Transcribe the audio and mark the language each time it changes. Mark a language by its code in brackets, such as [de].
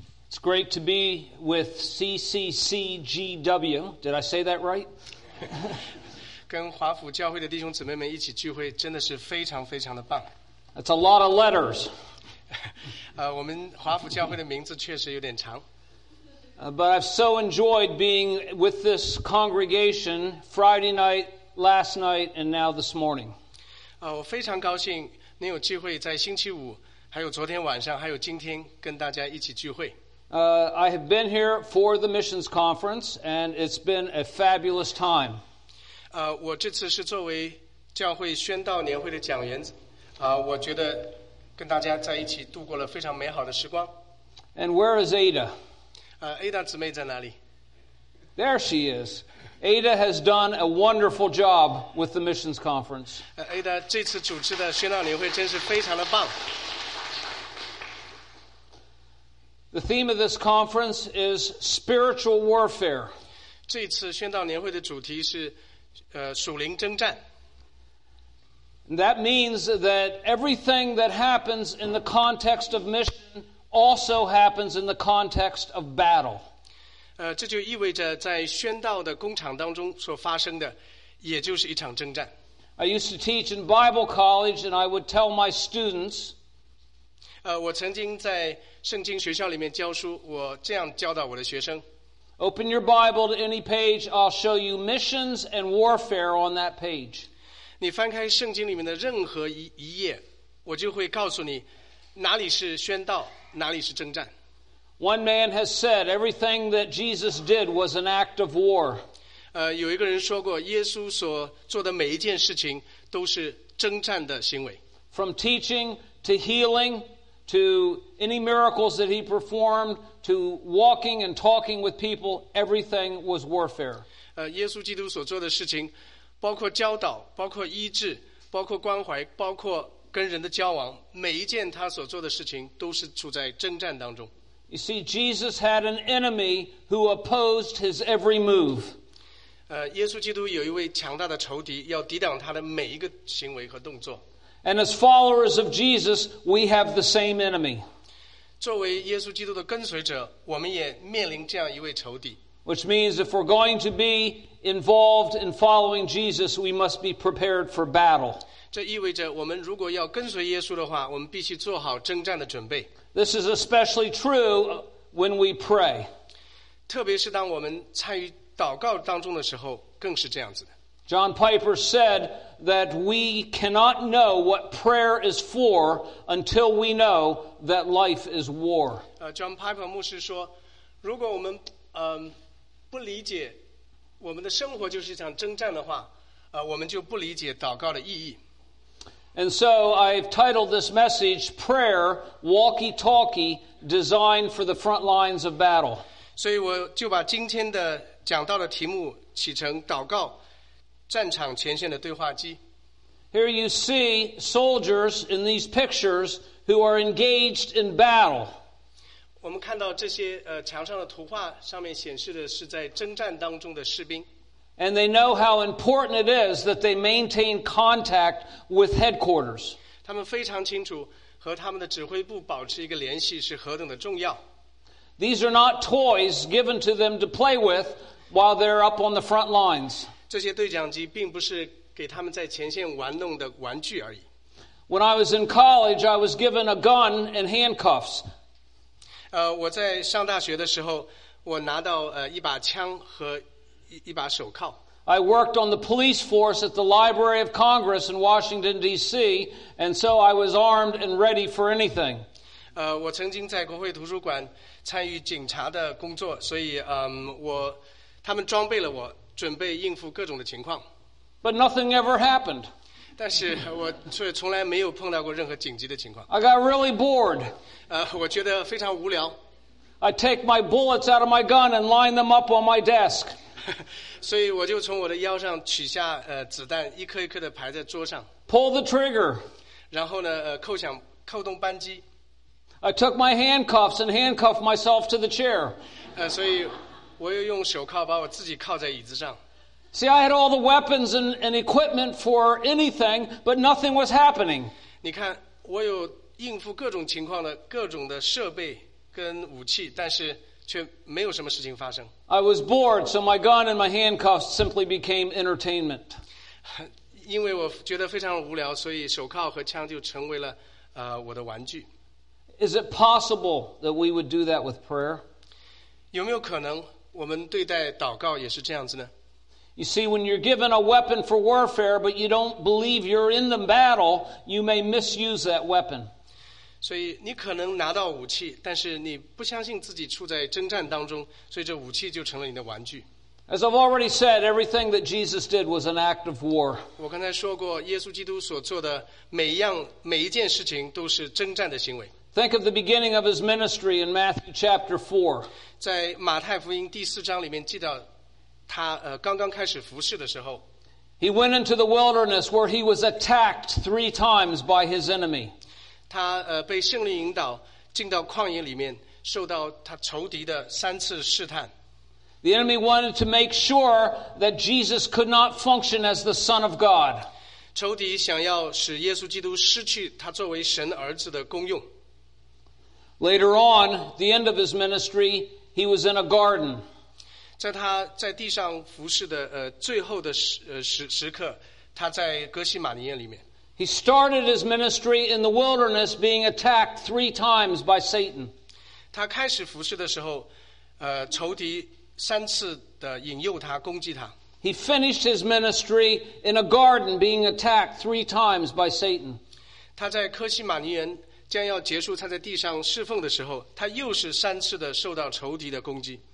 [en] It's great to be with CCCGW. Did I say that right? [zh] 跟华府教会的弟兄姊妹们一起聚会真的是非常非常的棒。 [en] That's a lot of letters. [zh] 我们华府教会的名字确实有点长。 [en] But I've so enjoyed being with this congregation Friday night, last night, and now this morning. [zh] 我非常高兴你有机会在星期五还有昨天晚上还有今天跟大家一起聚会。 [en] I have been here for the missions conference and it's been a fabulous time. [zh] 我这次是作为教会宣道年会的讲员，我觉得跟大家在一起度过了非常美好的时光。 [en] And where is Ada? [zh] Ada 姊妹在哪里？ [en] There she is. Ada has done a wonderful job with the missions conference. [zh] Ada, 这次主持的宣道年会真是非常的棒。 [en] The theme of this conference is spiritual warfare. [zh] 这次宣道年会的主题是属灵征战。 [en] That means that everything that happens in the context of mission also happens in the context of battle. [zh] 这就意味着在宣道的工厂当中所发生的也就是一场征战。 [en] I used to teach in Bible college and I would tell my students, [zh] 我曾经在圣经学校里面教书，我这样教导我的学生。 [en] Open your Bible to any page, I'll show you missions and warfare on that page. [zh] 你翻开圣经里面的任何一页，我就会告诉你哪里是宣道，哪里是征战。 [en] One man has said everything that Jesus did was an act of war. [zh] 有一个人说过，耶稣所做的每一件事情都是征战的行为。 [en] From teaching to healing to any miracles that he performed to walking and talking with people, everything was warfare. [zh] 耶稣基督所做的事情，包括教导，包括医治，包括关怀，包括跟人的交往，每一件他所做的事情都是处在征战当中。 [en] You see, Jesus had an enemy who opposed his every move. [zh] 耶稣基督有一位强大的仇敌，要抵挡他的每一个行为和动作。 [en] And as followers of Jesus, we have the same enemy. [zh] 作为耶稣基督的跟随者，我们也面临这样一位仇敌。 [en] Which means if we're going to be involved in following Jesus, we must be prepared for battle. [zh] 这意味着我们如果要跟随耶稣的话，我们必须做好征战的准备。 [en] This is especially true when we pray. [zh] 特别是当我们参与祷告当中的时候，更是这样子的。 [en] John Piper said that we cannot know what prayer is for until we know that life is war. [zh] John Piper 牧师说，如果我们不理解我们的生活就是一场征战的话，我们就不理解祷告的意义。 [en] And so I've titled this message Prayer Walkie-Talkie Designed for the Front Lines of Battle. [zh] 所以我就把今天的讲到的题目起成祷告战场前线的对话机。 [en] Here you see soldiers in these pictures who are engaged in battle. [zh] 我们看到这些墙上的图画上面显示的是在征战当中的士兵。 [en] And they know how important it is that they maintain contact with headquarters. [zh] 他们非常清楚和他们的指挥部保持一个联系是何等的重要。 [en] These are not toys given to them to play with while they're up on the front lines. [zh] 这些对讲机并不是给他们在前线玩弄的玩具而已。 [en] When I was in college, I was given a gun and handcuffs. [zh] 我在上大学的时候，我拿到一把枪和一把手铐。 [en] I worked on the police force at the Library of Congress in Washington, D.C., and so I was armed and ready for anything. [zh] 我曾经在国会图书馆参与警察的工作，所以他们装备了我，准备应付各种的情况。 [en] But nothing ever happened. [zh] 但是我却从来没有碰到过任何紧急的情况。 [en] I got really bored. [zh] 我觉得非常无聊。 [en] I take my bullets out of my gun and line them up on my desk. [zh] 所以我就从我的腰上取下子弹，一颗一颗的排在桌上。 [en] Pull the trigger. [zh] 然后呢，扣动扳机。 [en] I took my handcuffs and handcuffed myself to the chair. [zh] 所以我又用手铐把我自己铐在椅子上。 [en] See, I had all the weapons and equipment for anything, but nothing was happening. [zh] 你看，我有应付各种情况的各种的设备跟武器，但是却没有什么事情发生。 [en] I was bored, so my gun and my handcuffs simply became entertainment. [zh] 因为我觉得非常无聊，所以手铐和枪就成为了我的玩具。 [en] Is it possible that we would do that with prayer? [zh] 有没有可能我们对待祷告也是这样子呢？ [en] You see, when you're given a weapon for warfare, but you don't believe you're in the battle, you may misuse that weapon. [zh] 所以你可能拿到武器，但是你不相信自己处在征战当中，所以这武器就成了你的玩具。 [en] As I've already said, everything that Jesus did was an act of war. [zh] 我刚才说过，耶稣基督所做的每一件事情都是征战的行为。 [en] Think of the beginning of his ministry in Matthew chapter 4. [zh] 在马太福音第四章里面记到他刚刚开始服事的时候。 [en] He went into the wilderness where he was attacked 3 times by his enemy. [zh] 他被圣灵引导进到旷野里面，受到他仇敌的3次试探。 [en] The enemy wanted to make sure that Jesus could not function as the Son of God. [zh] 仇敌想要使耶稣基督失去他作为神儿子的功用。 [en] Later on, the end of his ministry, he was in a garden. [zh] 在他在地上服侍的最后的时刻，他在哥西马尼园里面。 [en] He started his ministry in the wilderness, being attacked 3 times by Satan. [zh] 他开始服侍的时候，仇敌3次的引诱他，攻击他。 [en] He finished his ministry in a garden, being attacked 3 times by Satan. [zh] 他在哥西马尼园将要结束他在地上侍奉的时候，他又是3次的受到仇敌的攻击。